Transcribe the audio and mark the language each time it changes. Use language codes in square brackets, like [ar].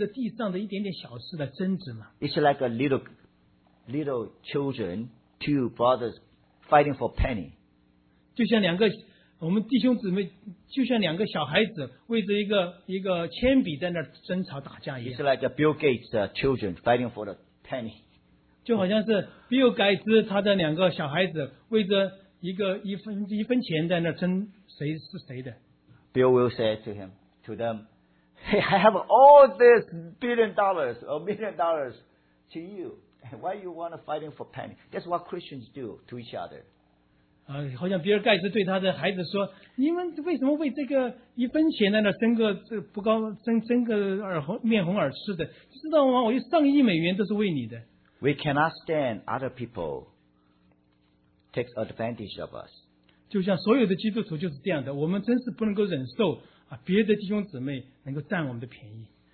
[zh] 你们这样的丰富，你们还会为着地上的一点点小事来争执吗？ [en] It's like a little children, two brothers fighting for penny. [zh] 就像两个我们弟兄姊妹，就像两个小孩子为着一个铅笔在那争吵打架一样。 [en] It's like a Bill Gates children fighting for the penny. [zh] 就好像是 Bill Gates 他的两个小孩子为着 一个一分钱在那争谁是谁的。 [en] Bill will say to him, to them, hey, I have all this billion dollars or million dollars to you. Why you want to fight for penny? That's what Christians do to each other. [zh] 好像比尔盖茨对他的孩子说，你们为什么为这个一分钱在那争个不高，争个面红耳赤的，知道吗？我有上亿美元都是为你的。 [en] We cannot stand other people takes advantage of us. [zh] 就像所有的基督徒就是这样的，我们真是不能够忍受啊，别的弟兄姊妹能够占我们的便宜。